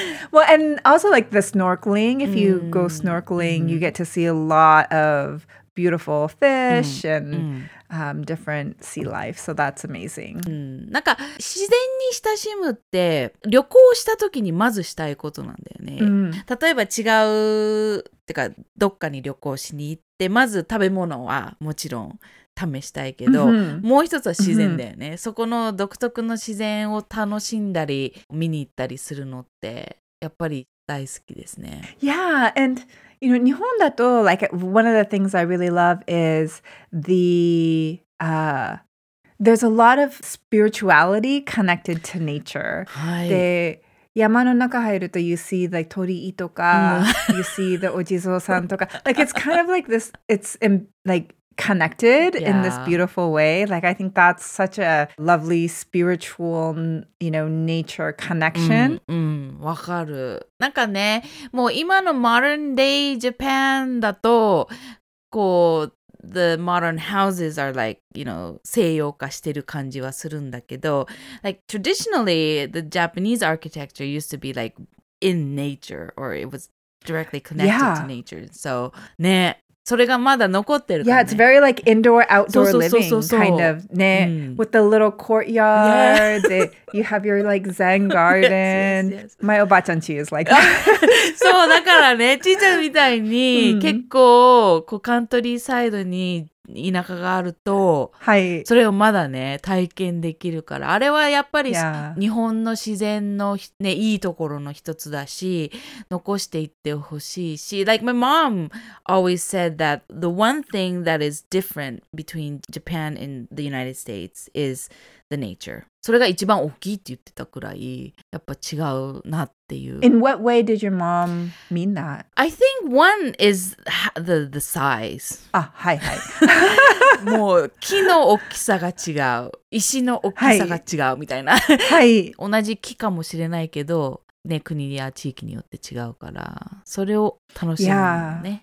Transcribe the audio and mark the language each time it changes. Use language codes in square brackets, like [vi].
[en] Well, and also like the snorkeling. If you go snorkeling, you get to see a lot of beautiful fish and different sea life. So that's amazing. [ja] なんか自然に親しむって旅行した時にまずしたいことなんだよね。例えば違うてかどっかに旅行しに行ってまず食べ物はもちろん試したいけど、もう一つは自然だよね。そこの独特の自然を楽しんだり見に行ったりするのってやっぱり大好きですね。 [en] Yeah, and you know, [ja] 日本だと [en] like one of the things I really love is the there's a lot of spirituality connected to nature. [ja] はい。 [en] で、 [ja] 山の中入ると [en] you see the 鳥居とか、you see the お地蔵さんとか、like it's kind of like this, it's in, like connected in this beautiful way. Like I think that's such a lovely spiritual, you know, nature connection. [ja] わかる。なんかね、もう今の [en] modern day Japan だと、こう、the modern houses are like, you know, [ja] 西洋化してる感じはするんだけど、 [en] like traditionally, the Japanese architecture used to be like in nature, or it was directly connected to nature. [ja] So, ね、それがまだ残ってるからね。 [en] Yeah, it's very like indoor, outdoor living kind of, ね。 With the little courtyard, you have your like zen garden. My おばあちゃん家 is like that. [ja] そう、だからね、ちーちゃんみたいに結構こうカントリーサイドに田舎があると、はい、それをまだね、体験できるから。あれはやっぱり、日本の自然の、ね、いいところの一つだし、残していってほしいし。 [en] Like, my mom always said that the one thing that is different between Japan and the United States is the nature. [ja] それが一番大きいって言ってたくらい、やっぱ違うなっていう。 [en] In what way did your mom mean that? I think one is the size. [ja] あ、はいはい。もう木の大きさが違う。石の大きさが違うみたいな。はい。同じ木かもしれないけど、ね、国や地域によって違うから、それを楽しむね。